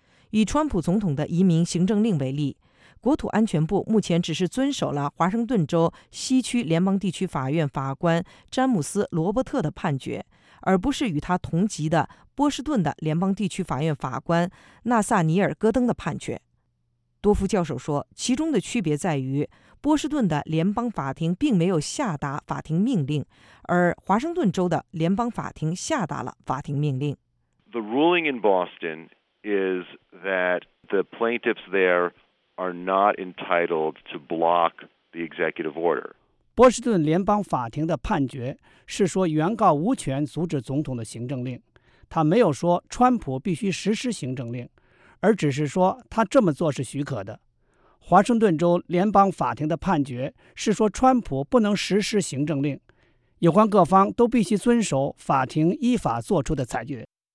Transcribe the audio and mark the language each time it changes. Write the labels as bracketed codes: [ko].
[zh] 以川普总统的移民行政令为例，国土安全部目前只是遵守了华盛顿州西区联邦地区法院法官詹姆斯·罗伯特的判决，而不是与他同级的波士顿的联邦地区法院法官纳萨尼尔·戈登的判决。多夫教授说，其中的区别在于，波士顿的联邦法庭并没有下达法庭命令，而华盛顿州的联邦法庭下达了法庭命令。 [en] The ruling in Boston is that the plaintiffs there are not entitled to block the executive order. [zh] 波士顿联邦法庭的判决是说，原告无权阻止总统的行政令，他没有说川普必须实施行政令，而只是说他这么做是许可的。华盛顿州联邦法庭的判决是说，川普不能实施行政令，有关各方都必须遵守法庭依法作出的裁决。